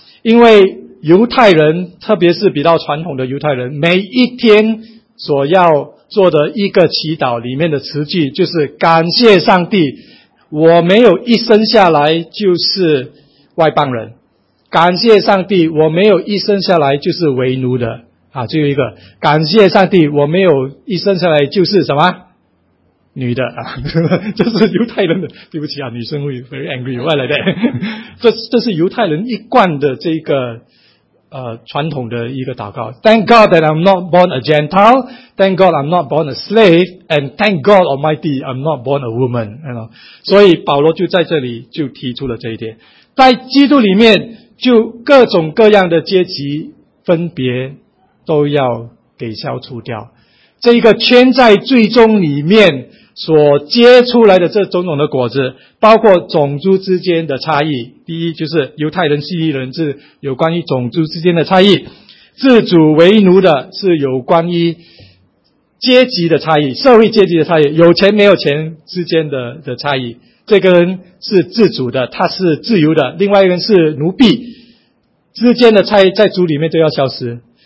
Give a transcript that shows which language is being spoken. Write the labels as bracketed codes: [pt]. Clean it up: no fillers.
[zh] 因为犹太人，特别是比较传统的犹太人，每一天所要做的一个祈祷里面的词句就是感谢上帝，我没有一生下来就是外邦人，感谢上帝，我没有一生下来就是为奴的啊，最后一个，感谢上帝，我没有一生下来就是什么女的啊，这是犹太人的，对不起啊，女生会 very angry，外来的，这是犹太人一贯的这个传统的一个祷告。 [en] Thank God that I'm not born a Gentile. Thank God I'm not born a slave. And thank God Almighty I'm not born a woman. You know? [zh] 所以保罗就在这里就提出了这一点。在基督里面，就各种各样的阶级分别都要给消除掉。这个圈在最终里面所结出来的这种种的果子，包括种族之间的差异，第一就是犹太人、希腊人是有关于种族之间的差异，自主为奴的是有关于阶级的差异，社会阶级的差异，有钱没有钱之间 的差异，这个人是自主的，他是自由的，另外一个人是奴婢之间的差异，在主里面都要消失。